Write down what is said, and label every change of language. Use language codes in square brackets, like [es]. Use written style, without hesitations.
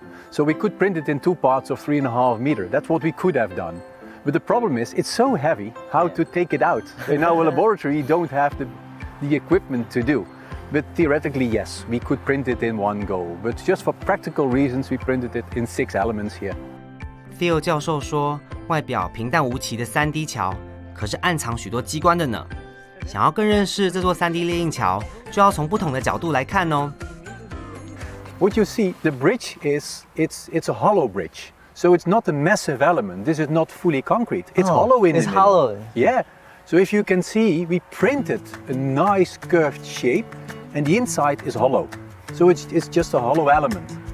[en] So we could print it in 2 parts of 3.5 meters. That's what we could have done. But the problem is, it's so heavy, how to take it out? In our laboratory, you don't have the equipment to do. But theoretically, yes, we could print it in one go. But just for practical reasons, we printed it in 6 elements here. [zh] Theo 教授说，外表平淡无奇的 3D 桥，可是暗藏许多机关的呢。想要更认识这座 3D 列印桥，就要从不同的角度来看哦。 [en] What you see, the bridge is it's a hollow bridge. So it's not a massive element. This is not fully concrete. It's hollow in it. It's hollow. Yeah. So if you can see, we printed a nice curved shape. And the inside is hollow. So it's just a hollow element.